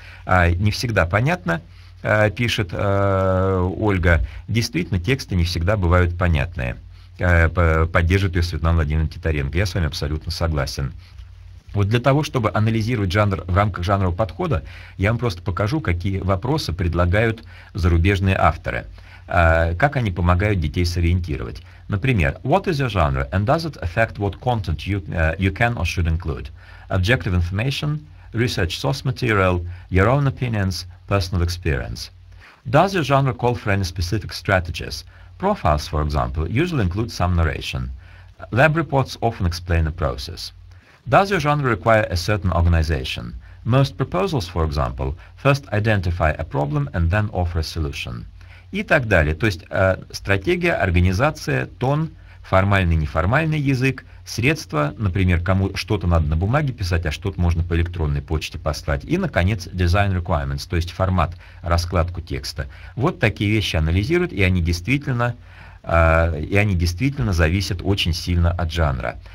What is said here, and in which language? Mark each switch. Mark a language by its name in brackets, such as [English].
[Russian] Не всегда понятно. Пишет Ольга, действительно, тексты не всегда бывают понятные. Поддерживает ее Светлана Владимировна Титаренко. Я с вами абсолютно согласен. Вот для того, чтобы анализировать жанр в рамках жанрового подхода, я вам просто покажу, какие вопросы предлагают зарубежные авторы. Как они помогают детей сориентировать. Например, [English] what is your genre and does it affect what content you can or should include? Objective information, research source material, your own opinions, personal experience. Does your genre call for any specific strategies? Profiles, for example, usually include some narration. Lab reports often explain the process. Does your genre require a certain organization? Most proposals, for example, first identify a problem and then offer a solution. [Russian] И так далее. То есть стратегия, организация, тон, формальный, неформальный язык, средства, например, кому что-то надо на бумаге писать, а что-то можно по электронной почте послать. И, наконец, [English] design requirements, [Russian] то есть формат, раскладку текста. Вот такие вещи анализируют, и они действительно зависят очень сильно от жанра.